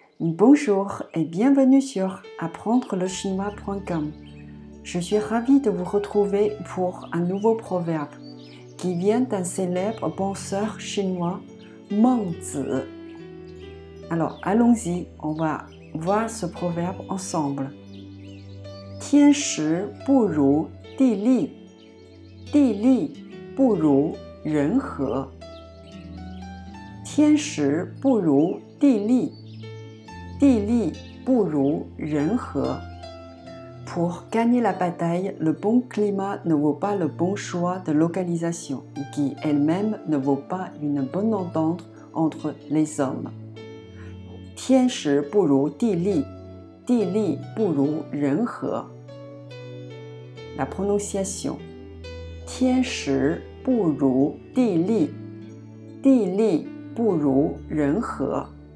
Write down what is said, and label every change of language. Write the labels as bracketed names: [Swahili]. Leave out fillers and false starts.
[French] Bonjour et bienvenue sur apprendrelechinois.com. Je suis ravie de vous retrouver pour un nouveau proverbe qui vient d'un célèbre penseur chinois, Meng Zi. Alors allons-y, on va voir ce proverbe ensemble. [Chinese] 天时不如地利，地利不如人和。天时不如地利，地利不如人和。 [French] Pour gagner la bataille, le bon climat ne vaut pas le bon choix de localisation, qui elle-même ne vaut pas une bonne entente entre les hommes. [Chinese] 天时不如地利，地利不如人和。 [French] La prononciation. [Chinese] 天时不如地利，地利不如人和。